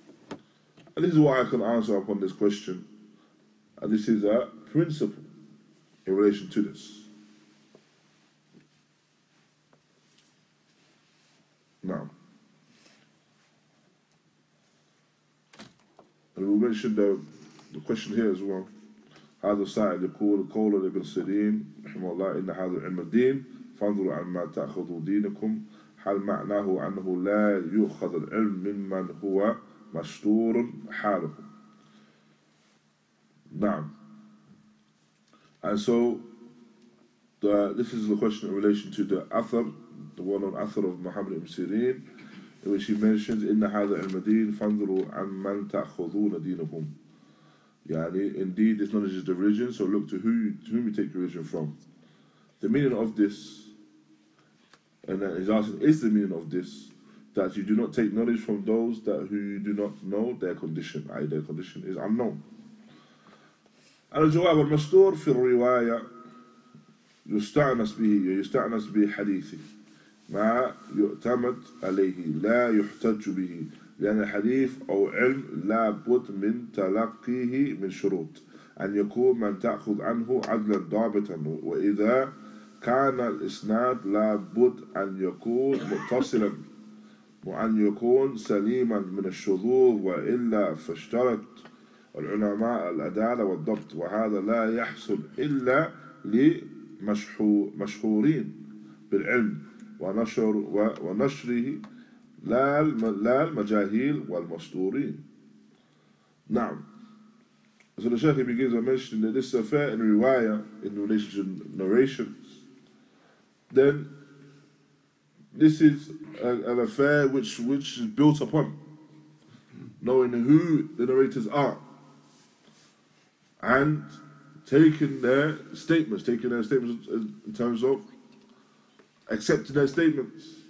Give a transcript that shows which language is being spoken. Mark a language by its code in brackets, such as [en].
[en] And this is what I can answer upon this question. And this is a principle in relation to this. Now, and we mentioned the question here as well. [ar] هذا سائل يقول قول ابن سيرين رحمه الله إن هذا علم الدين فانظروا عما تأخذوا دينكم هل معناه أنه لا يؤخذ العلم ممن هو مشتور حاله. نعم. [en] And so this is the question in relation to the author, the well-known author of Muhammad ibn Sirin, in which he mentions [ar] إن هذا علم الدين فانظروا عما تأخذون دينكم. [en] Yani, indeed, this knowledge is the religion, so look to whom you take religion from. the meaning of this, and then he's asking, is the meaning of this that you do not take knowledge from those that who you do not know their condition, i.e. their condition is unknown. [ar] Al-jawab al-mastur fi al-riwaya yusta'anas bihi, yusta'anas bihi hadithi ma yu'tamad alayhi la yuhtaju bihi لأن الحديث أو علم لا بد من تلقيه من شروط أن يكون من تأخذ عنه عدلا ضابطا وإذا كان الإسناد لا بد أن يكون متصلا وأن يكون سليما من الشذوذ وإلا فاشترط العلماء العدالة والضبط وهذا لا يحصل إلا لمشهورين بالعلم ونشره لا المجاهيل والمسطورين. نعم. [en] So the Shaykh begins by mentioning that this affair in riwaya, in relation to narrations, then this is an affair which is built upon knowing who the narrators are and taking their statements in terms of accepting their statements.